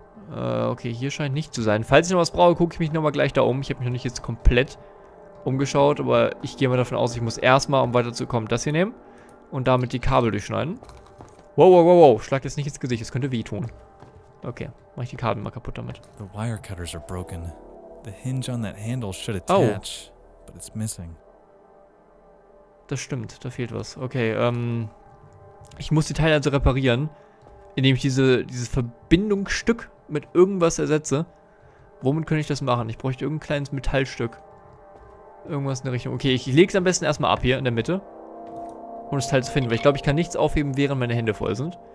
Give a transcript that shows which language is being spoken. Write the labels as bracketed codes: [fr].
[de] Okay, hier scheint nicht zu sein. Falls ich noch was brauche, gucke ich mich nochmal gleich da um. Ich habe mich noch nicht jetzt komplett umgeschaut, aber ich gehe mal davon aus, ich muss erstmal, um weiterzukommen, das hier nehmen. Und damit die Kabel durchschneiden. Wow, wow, wow, wow. Schlag jetzt nicht ins Gesicht, das könnte wehtun. Okay, mache ich die Kabel mal kaputt damit. [en] The wire cutters are broken. The hinge on that handle should attach, but it's missing. [de] Das stimmt, da fehlt was. Okay, ich muss die Teile also reparieren, indem ich dieses Verbindungsstück mit irgendwas ersetze. Womit könnte ich das machen? Ich bräuchte irgendein kleines Metallstück. Irgendwas in der Richtung. Okay, ich lege es am besten erstmal ab hier in der Mitte, um das Teil zu finden, weil ich glaube, ich kann nichts aufheben, während meine Hände voll sind.